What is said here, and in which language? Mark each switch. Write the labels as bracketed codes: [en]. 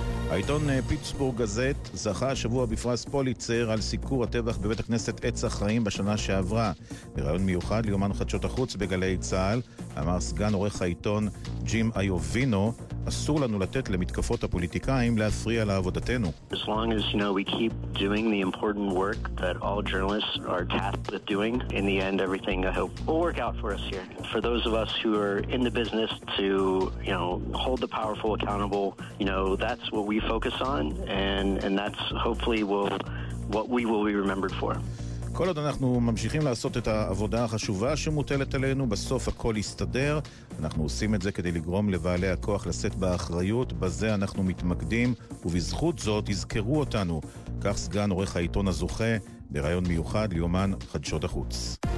[he] העיתון פיטסבורג גזט זכה השבוע בפרס פוליצר על סיקור הטבח בבית הכנסת עץ החיים בשנה שעברה. בראיון מיוחד ליומן חדשות החוץ בגלי צהל, אמר סגן עורך העיתון ג'ים איובינו, אסור לנו לתת למתקפות הפוליטיקאים להפריע לעבודתנו. [en] As long as you know we keep doing the important work that all journalists are tasked with doing, in the end everything I hope will work out for us here. For those of us who are in the business to, you know, hold the powerful accountable, you know, that's what we focus on and that's hopefully will what we will be remembered for. [he] כל עוד אנחנו ממשיכים לעשות את העבודה החשובה שמוטלת עלינו, בסוף הכל יסתדר. אנחנו עושים את זה כדי לגרום לבעלי הכוח לשאת באחריות, בזה אנחנו מתמקדים, ובזכות זאת יזכרו אותנו. כך סגן עורך העיתון הזוכה, ברעיון מיוחד ליומן חדשות החוץ.